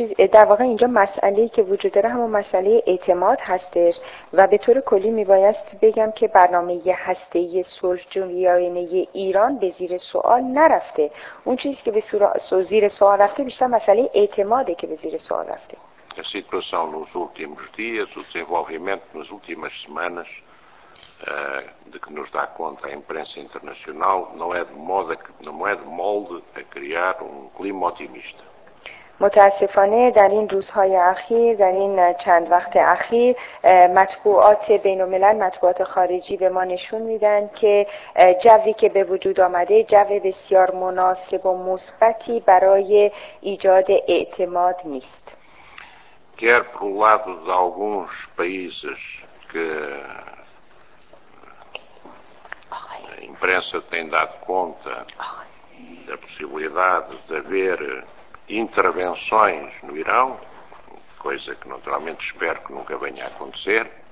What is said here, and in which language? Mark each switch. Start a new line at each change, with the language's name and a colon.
Persian: در واقع اینجا مسئله‌ای که وجود داره همون مسئله اعتماد هستش و به طور کلی میبایست بگم که برنامه هسته‌ای صلح جویانه ایران به زیر سوال نرفته. اون چیزی که به زیر سوال رفته بیشتر مسئله اعتماده که به زیر سوال رفته.
Portuguese: A situação nos últimos dias, o desenvolvimento nas últimas semanas, de que nos dá conta a imprensa internacional, não é de molde a criar um clima otimista.
Persian: متاسفانه در این روزهای اخیر در این چند وقت اخیر مطبوعات بین الملل مطبوعات خارجی به ما نشون میدن که جوی که به وجود آمده جو بسیار مناسب و مثبتی برای ایجاد اعتماد نیست.
Portuguese: Quer por um lado de alguns países que a imprensa tem dado conta da possibilidade de haver intervenções no Irão, coisa que naturalmente espero que nunca venha a acontecer.